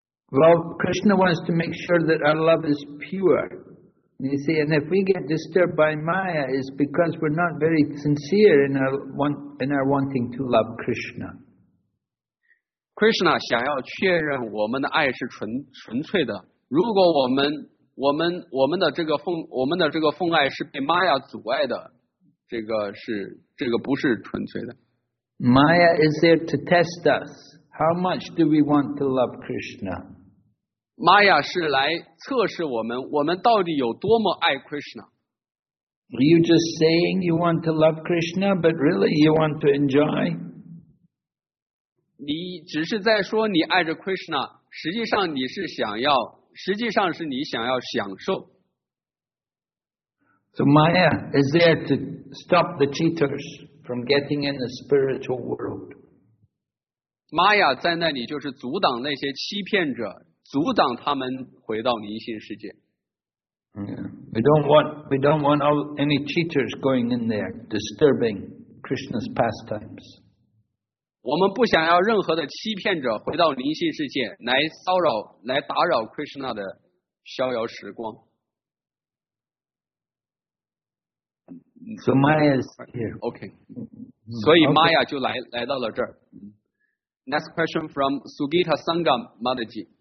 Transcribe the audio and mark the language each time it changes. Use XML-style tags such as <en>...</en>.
<en>Well, Krishna wants to make sure that our love is pure. You see, and if we get disturbed by Maya, it's because we're not very sincere in our wanting to love Krishna.</en> <zh>Krishna 想要确认我们的爱是纯粹的。如果我们的这个奉爱是被 Maya 阻碍的，这个不是纯粹的。</zh> <en>Maya is there to test us. How much do we want to love Krishna?</en> <zh>Maya 是来测试我们到底有多么爱 Krishna.</zh> <en>Are you just saying you want to love Krishna, but really you want to enjoy?</en> <zh>你只是在说你爱着 Krishna, 实际上你是想要。实际上是你想要享受。</zh> <en>So Maya is there to stop the cheaters from getting in the spiritual world.</en> <zh>Maya 在那里就是阻挡那些欺骗者，阻挡他们回到灵性世界。</zh> <en>Yeah. We don't want any cheaters going in there, disturbing Krishna's pastimes.</en> <zh>我们不想要任何的欺骗者回到灵性世界来骚扰来打扰 Krishna 的逍遥时光。</zh> <en>So Maya is here. OK.</en> <zh>所以 Maya 就 来到了这儿。</zh> <en>Next question from Sugita Sangam Madhaji.</en>